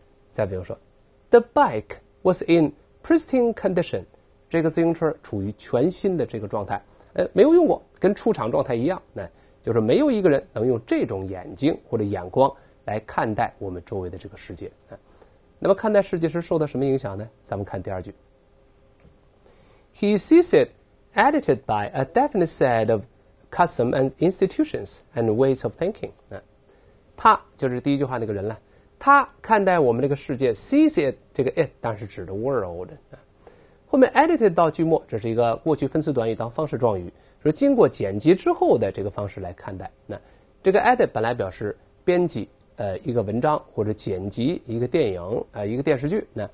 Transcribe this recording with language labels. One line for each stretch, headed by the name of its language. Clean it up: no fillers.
Chinese: 再比如说 ，
English: the bike was in pristine condition，
Chinese: 这个自行车处于全新的这个状态，没有用过，跟出厂状态一样。就是没有一个人能用这种眼睛或者眼光来看待我们周围的这个世界。那么看待世界是受到什么影响呢？咱们看第二句。
English: He sees it edited by a definite set of custom and institutions and ways of thinking.
Chinese: 他就是第一句话那个人了。他看待我们这个世界
English: sees it,
Chinese: 这个 it 当时指的 world。后面 edited 到句末，这是一个过去分词短语当方式状语，说经过剪辑之后的这个方式来看待。这个 edit 本来表示编辑一个文章或者剪辑一个电影一个电视剧。